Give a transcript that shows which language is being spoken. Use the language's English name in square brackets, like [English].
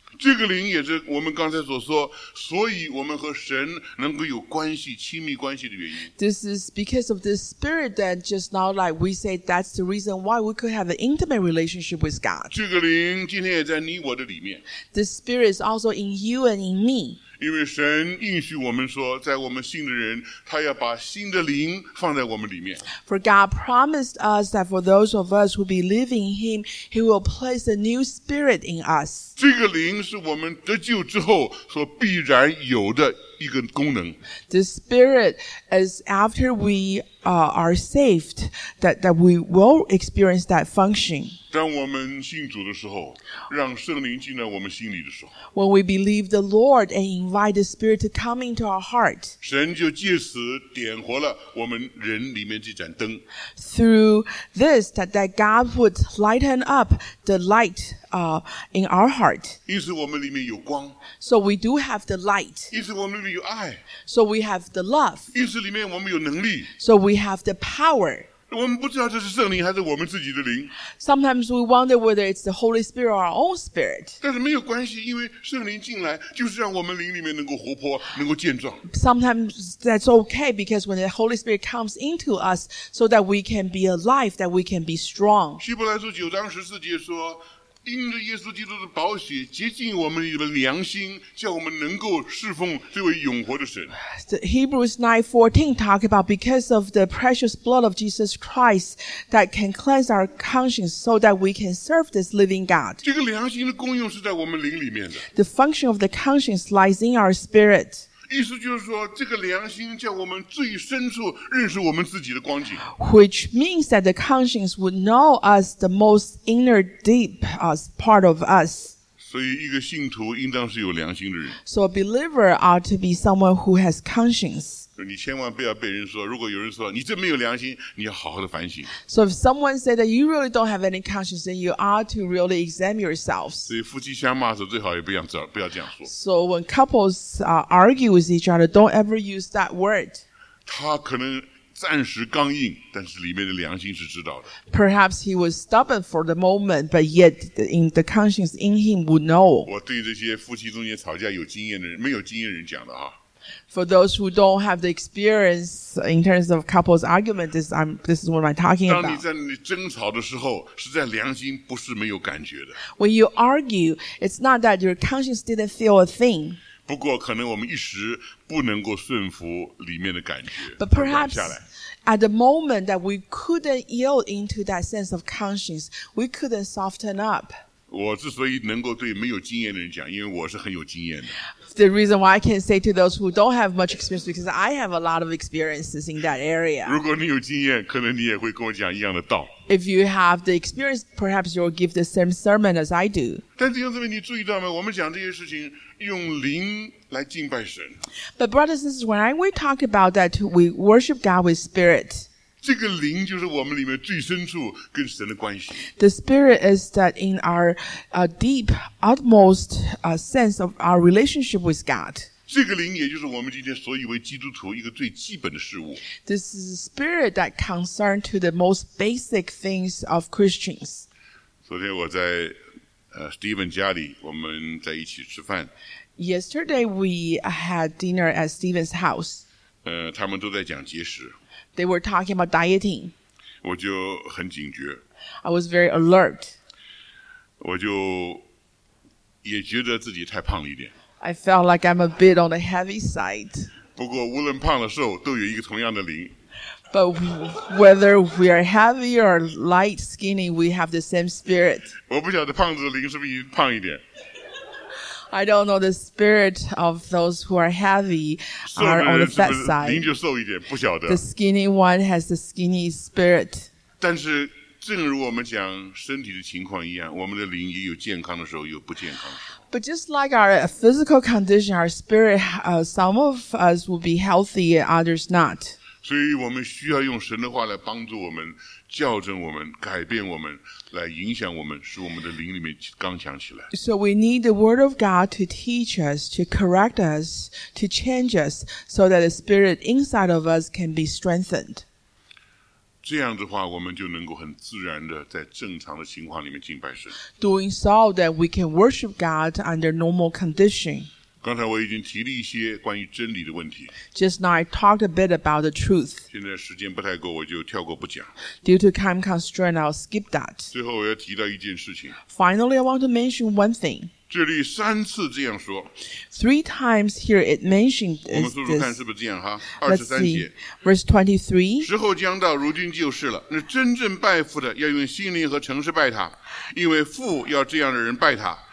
[Chinese] 这个灵也是我们刚才所说，所以我们和神能够有关系，亲密关系的原因。 [English] This is because of the spirit that just now, like we say, that's the reason why we could have an intimate relationship with God. [Chinese] 这个灵今天也在你我的里面。 [English] The spirit is also in you and in me. [Chinese] 因为神应许我们说，在我们信的人，他要把新的灵放在我们里面。 [English] For God promised us that for those of us who believe in him, he will place a new spirit in us. [Chinese] 这个灵是我们得救之后所必然有的一个功能。 [English] The spirit is after we, are saved, that we will experience that function. [Chinese] 当我们信主的时候，让圣灵进到我们心里的时候。 [English] When we believe the Lord and invite the spirit to come into our heart. [Chinese] 神就借此点活了我们人里面这盏灯。 [English] Through this, that God would lighten up the light, in our heart. [Chinese] 因此我们里面有光。 [English] So we do have the light. [Chinese] 因此我们里面有爱。 [English] So we have the love. [Chinese] 因此里面我们有能力。 [English] So we have the power. [Chinese] 我们不知道这是圣灵还是我们自己的灵。 [English] Sometimes we wonder whether it's the Holy Spirit or our own spirit. [Chinese] 但是没有关系，因为圣灵进来就是让我们灵里面能够活泼，能够健壮。 [English] Sometimes that's okay because when the Holy Spirit comes into us, so that we can be alive, that we can be strong. [Chinese] 希伯来书九章十四节说，因着耶稣基督的宝血洁净我们的良心，叫我们能够侍奉这位永活的神。 [English] The Hebrews 9:14 talk about because of the precious blood of Jesus Christ that can cleanse our conscience so that we can serve this living God. [Chinese] 这个良心的功用是在我们灵里面的。 [English] The function of the conscience lies in our spirit. [Chinese] 意思就是说，这个良心叫我们最深处认识我们自己的光景。 [English] Which means that the conscience would know us the most inner deep as part of us. [Chinese] 所以一个信徒应当是有良心的人。 [English] So a believer ought to be someone who has conscience. [Chinese] 你千万不要被人说，如果有人说你这没有良心，你要好好的反省。 [English] So if someone said that you really don't have any conscience, then you ought to really examine yourselves. [Chinese] 所以夫妻相骂的时候最好也不要这样说。 [English] So when couples, argue with each other, don't ever use that word. [Chinese] 他可能暂时刚硬，但是里面的良心是知道的。 [English] Perhaps he was stubborn for the moment, but yet the conscience in him would know. [Chinese] 我对这些夫妻中间吵架有经验的人，没有经验的人讲的啊。 [English] For those who don't have the experience in terms of couples argument, this is what I'm talking about. [Chinese] 当你在你争吵的时候，实在良心不是没有感觉的。 [English] When you argue, it's not that your conscience didn't feel a thing. [Chinese] 不过可能我们一时不能够顺服里面的感觉。 [English] But perhaps at the moment that we couldn't yield into that sense of conscience, we couldn't soften up. [Chinese] 我之所以能够对没有经验的人讲，因为我是很有经验的。 [English] The reason why I can say to those who don't have much experience because I have a lot of experiences in that area. [Chinese] 如果你有经验，可能你也会跟我讲一样的道。 [English] If you have the experience, perhaps you'll give the same sermon as I do. [Chinese] 但弟兄姊妹，你注意到吗？我们讲这些事情用灵来敬拜神。 [English] But brothers and sisters, when we talk about that, we worship God with spirit. [Chinese] 这个灵就是我们里面最深处跟神的关系。 [English] The spirit is that in our, deep, utmost, sense of our relationship with God. [Chinese] 这个灵也就是我们今天所以为基督徒一个最基本的事物。 [English] This is the spirit that concerns to the most basic things of Christians. [Chinese] 昨天我在Stephen 家里，我们在一起吃饭。 [English] Yesterday we had dinner at Stephen's house. [Chinese] 他们都在讲节食。 [English] They were talking about dieting. [Chinese] 我就很警觉。 [English] I was very alert. [Chinese] 我就也觉得自己太胖了一点。 [English] I felt like I'm a bit on the heavy side. [Chinese] 不过无论胖了瘦都有一个同样的灵。 [English] But whether we are heavy or light skinny, we have the same spirit. [Chinese] 我不晓得胖子的灵是不是胖一点。 [English] I don't know the spirit of those who are heavy are on the fat side. [Chinese] 灵就瘦一点，不晓得。 [English] The skinny one has the skinny spirit. [Chinese] 但是正如我们讲身体的情况一样，我们的灵也有健康的时候，有不健康的时候。 [English] But just like our physical condition, our spirit, some of us will be healthy, others not. [Chinese] 所以我们需要用神的话来帮助我们，校正我们，改变我们，来影响我们，使我们的灵里面刚强起来。 [English] So we need the word of God to teach us, to correct us, to change us, so that the spirit inside of us can be strengthened. [Chinese] 这样的话，我们就能够很自然的在正常的情况里面敬拜神。 [English] Doing so that we can worship God under normal condition. [Chinese] 刚才我已经提了一些关于真理的问题。 [English] Just now I talked a bit about the truth. [Chinese] 现在时间不太够，我就跳过不讲。 [English] Due to time constraint, I'll skip that. [Chinese] 最后我要提到一件事情。 [English] Finally, I want to mention one thing. [Chinese] 这里三次这样说。 [English] Three times here it mentioned this. [Chinese] 我们说说看是不是这样哈。 [English] Let's see. Verse 23. [Chinese] 时候将到，如今就是了。那真正拜父的要用心灵和诚实拜他，因为父要这样的人拜他。